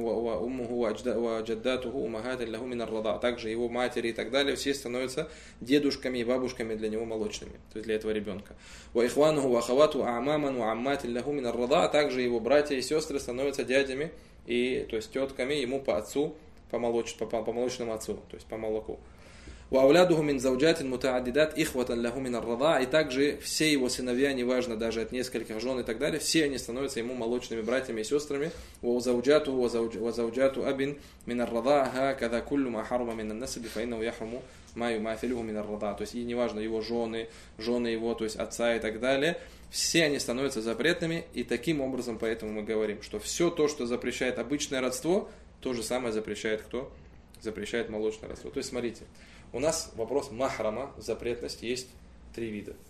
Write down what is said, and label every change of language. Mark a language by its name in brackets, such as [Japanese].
[Arabic] Ва уммуху ва аджаддатуху умахатин ляху мин ар-радаъ, [Russian] также его матери и так далее, все становятся дедушками и бабушками для него молочными, то есть для этого ребенка. [Arabic] Ва ихвануху ва ахавату аъмаман ва амматин ляху мин ар-радаъ, [Russian] также его братья и сестры становятся дядями, и, то есть тетками ему по отцу, по молочному отцу, то есть по молоку. [Arabic] وأولادهم من زوجات متعددات إخوة له من الرضاعة. [Russian] И также все его сыновья, неважно даже от нескольких жен и так далее, все они становятся ему молочными братьями и сестрами. [Arabic] وزوجاته وزوجات أبن من الرضاعة هكذا كل ما حرم من النسب فإنه يحرم ما يماثله من الرضاعة. [Russian] То есть и неважно его жены его, то есть отца и так далее, все они становятся запретными. И таким образом поэтому мы говорим, что все то, что запрещает обычное родство, то же самое запрещает кто? Запрещает молочное родство. То есть смотрите, у нас вопрос махрама, запретность, есть три вида.